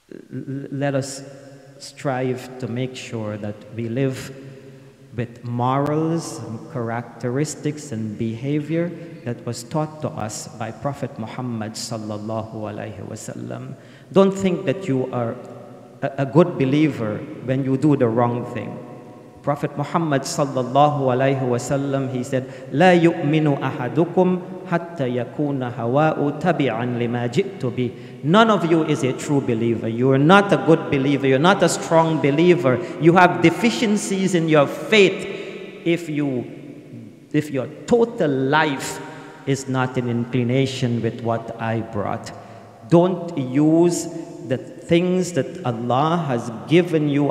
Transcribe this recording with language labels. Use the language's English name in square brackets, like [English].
[English] Let us strive to make sure that we live with morals and characteristics and behavior that was taught to us by Prophet Muhammad sallallahu alaihi wasallam. Don't think that you are a good believer when you do the wrong thing. [Arabic] Prophet Muhammad sallallahu alaihi wasallam, [English] he said, [Arabic] لا يؤمن أحدكم حتى يكون هواه تبعا لما جئت به. [English] None of you is a true believer. You are not a good believer. You're not a strong believer. You have deficiencies in your faith if your total life is not in inclination with what I brought. Don't use the things that Allah has given you.